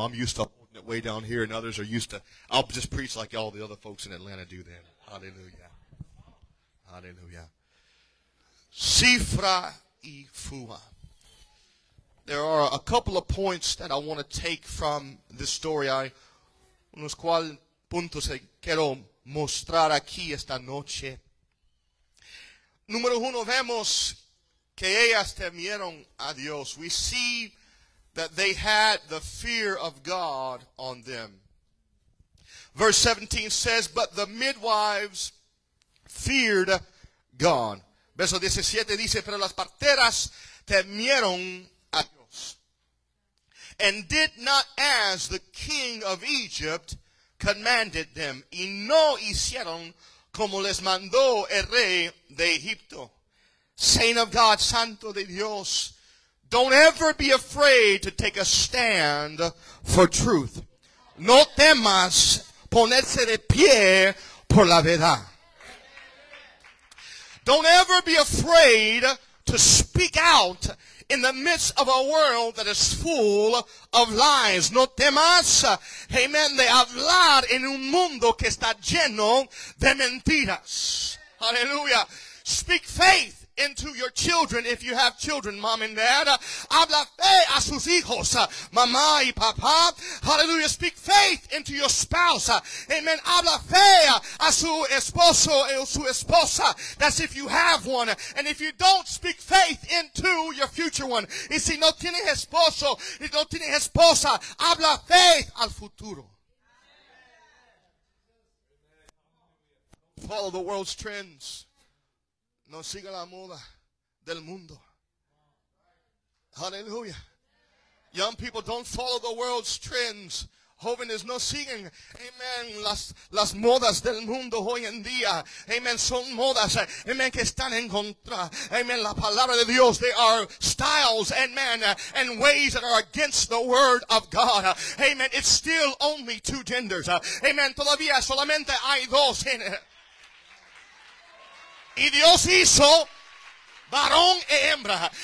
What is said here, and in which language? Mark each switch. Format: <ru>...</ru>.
<en>I'm used to holding it way down here, and others are used to. I'll just preach like all the other folks in Atlanta do then. Hallelujah. Hallelujah. Cifra y fua. There are a couple of points that I want to take from this story.</en> <es>Unos cuales puntos quiero mostrar aquí esta noche. Número uno, vemos que ellas temieron a Dios.</es> <en>We see that they had the fear of God on them. Verse 17 says, but the midwives feared God.</en> <es>Verso 17 dice, pero las parteras temieron a Dios.</es> <en>And did not as the king of Egypt commanded them.</en> <es>Y no hicieron como les mandó el rey de Egipto.</es> <en>Saint of God,</en> <es>Santo de Dios,</es> <en>don't ever be afraid to take a stand for truth.</en> <es>No temas ponerse de pie por la verdad.</es> <en>Don't ever be afraid to speak out in the midst of a world that is full of lies.</en> <es>No temas, amen, de hablar en un mundo que está lleno de mentiras.</es> <en>Hallelujah. Speak faith into your children, if you have children, mom and dad.</en> <es>Habla fe a sus hijos, mamá y papá. Hallelujah.</es> <en>Speak faith into your spouse.</en> <es>Amen. Habla fe a su esposo o su esposa.</es> <en>That's if you have one. And if you don't, speak faith into your future one.</en> <es>Y si no tiene esposo, y no tiene esposa, habla fe al futuro.</es> <en>Follow the world's trends.</en> <es>No siga la moda del mundo. Hallelujah.</es> <en>Young people, don't follow the world's trends.</en> <es>Jóvenes, no siguen, amen, las modas del mundo hoy en día. Amen, son modas, amen, que están en contra.</es> <en>Amen,</en> <es>la palabra de Dios,</es> <en>they are styles, amen, and ways that are against the word of God. Amen, it's still only two genders. Amen,</en> <es>todavía solamente hay dos</es> <en>en it.</en> <es>Y Dios hizo varón e hembra.</es>